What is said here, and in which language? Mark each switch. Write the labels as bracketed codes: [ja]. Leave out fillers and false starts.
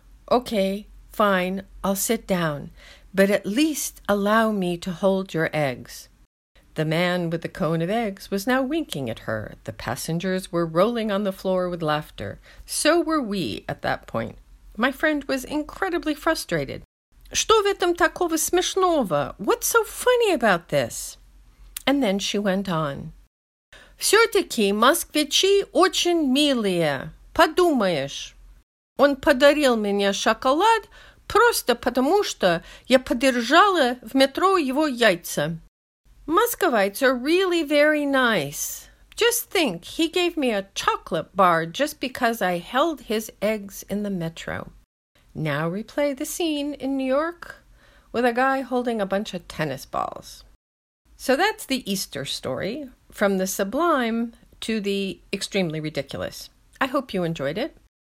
[en] «Okay, fine, I'll sit down, but at least allow me to hold your eggs». The man with the cone of eggs was now winking at her. The passengers were rolling on the floor with laughter. So were we at that point. My friend was incredibly frustrated. [ru] «Что в этом такого смешного? [en] What's so funny about this?» And then she went on. [ru] «Все-таки москвичи очень милые. Подумаешь. Он подарил мне шоколад, просто потому что я подержала в метро его яйца». [en] «Московites are really very nice. Just think, he gave me a chocolate bar just because I held his eggs in the metro». Now replay the scene in New York with a guy holding a bunch of tennis balls. So that's the Easter story, from the sublime to the extremely ridiculous. I hope you enjoyed it.